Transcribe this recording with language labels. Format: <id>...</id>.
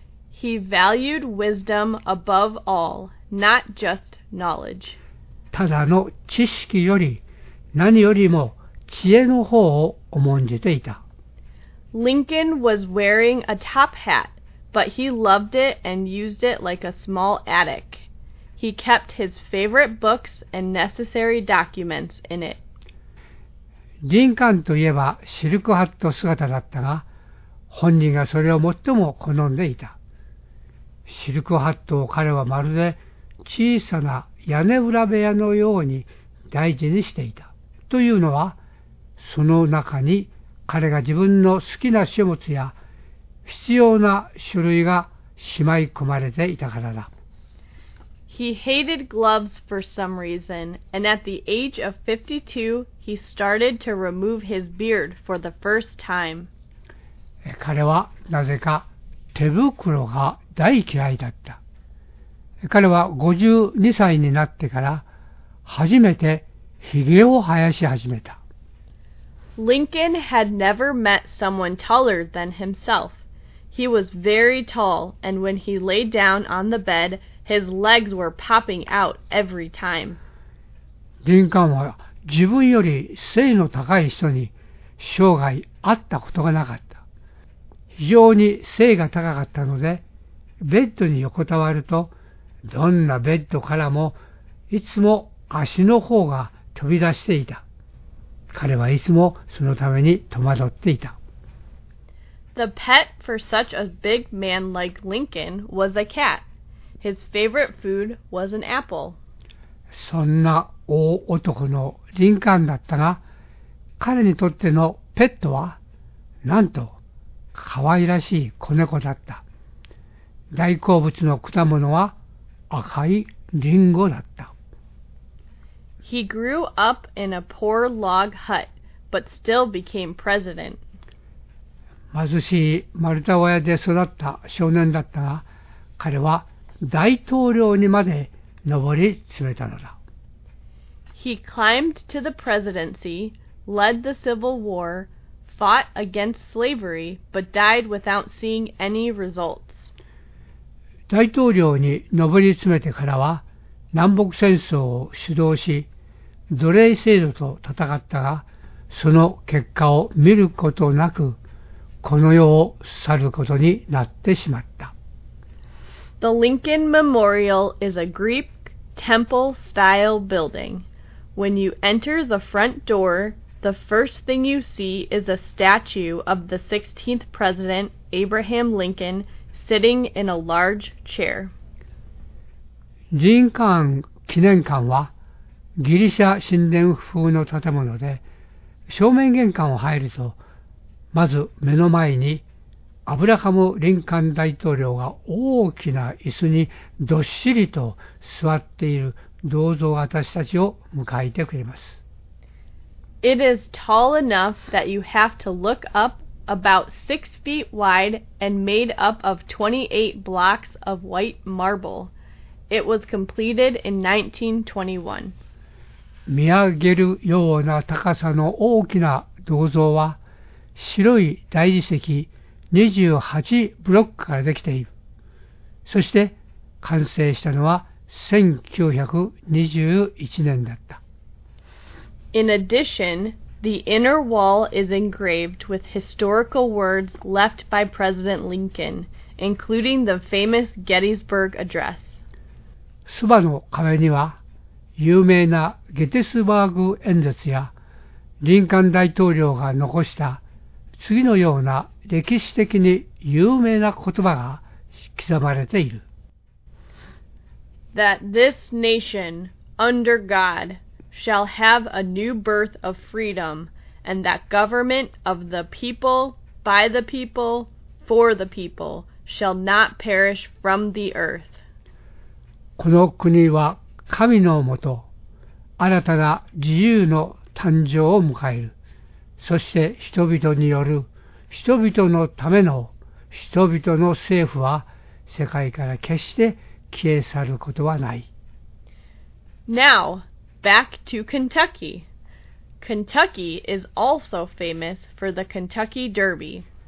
<en>He valued wisdom above all, not just knowledge.</en> <ja>ただの知識より、何よりも知恵の方を重んじていた。</ja> <en>Lincoln was wearing a top hat, but he loved it and used it like a small attic. He kept his favorite books and necessary documents in it.</en> <ja>リンカーンといえばシルクハット姿だったが、本人がそれを最も好んでいた。シルクハットを彼はまるで小さな屋根裏部屋のように大事にしていた。というのは、その中に彼が自分の好きな書物や必要な書類がしまい込まれていたからだ。</ja> <en>He hated gloves for some reason, and at the age of 52, he started to remove his beard for the first time.</en> <ja>彼はなぜか手袋が大嫌いだった。彼は52歳になってから初めてひげを生やし始めた。</ja> <en>Lincoln had never met someone taller than himself. He was very tall, and when he lay down on the bed,His legs were popping out every time.</en> <ja>リンカーンは自分より背の高い人に生涯会ったことがなかった。非常に背が高かったので、ベッドに横たわると、どんなベッドからもいつも足の方が飛び出していた。彼はいつもそのために戸惑っていた。</ja> <en>The pet for such a big man like Lincoln was a cat. His favorite food was an apple.</en> <ja>そんな大男のリンカーンだったが、彼にとってのペットは、なんと可愛らしい子猫だった。大好物の果物は赤いリンゴだった。</ja> <en>He grew up in a poor log hut, but still became president.</en> <ja>貧しい丸太小屋で育った少年だったが、彼は大統領にまで上り詰めたのだ。</ja> <en>He climbed to the presidency, led the Civil War, fought against slavery, but died without seeing any results.</en> <ja>大統領に上り詰めてからは、南北戦争を主導し、奴隷制度と戦ったが、その結果を見ることなく、この世を去ることになってしまった。</ja> <en>The Lincoln Memorial is a Greek temple-style building. When you enter the front door, the first thing you see is a statue of the 16th President, Abraham Lincoln, sitting in a large chair.</en> <ja>リンカーン記念館はギリシャ神殿風の建物で、正面玄関を入ると、まず目の前にアブラハム・リンカーン大統領が大きな椅子にどっしりと座っている銅像が私たちを迎えてくれます。</ja> <en>It is tall enough that you have to look up about 6 feet wide and made up of 28 blocks of white marble. It was completed in 1921.</en> <ja>見上げるような高さの大きな銅像は白い大理石28ブロックからできている。そして完成したのは1921年だった。</ja> <en>In addition, The inner wall is engraved with historical words left by President Lincoln, including the famous Gettysburg Address.</en> <ja>そばの壁には有名なゲティスバーグ演説やリンカン大統領が残した次のような歴史的に有名な言葉が刻まれている。</ja> <en>That this nation, under God, shall have a new birth of freedom, and that government of the people, by the people, for the people, shall not perish from the earth.</en> <ja>この国は神のもと、新たな自由の誕生を迎える。そして人々による人々のための人々の政府は世界から決して消え去ることはない。</ja> <en>Now, back to Kentucky. Kentucky is also famous for the Kentucky Derby.</en>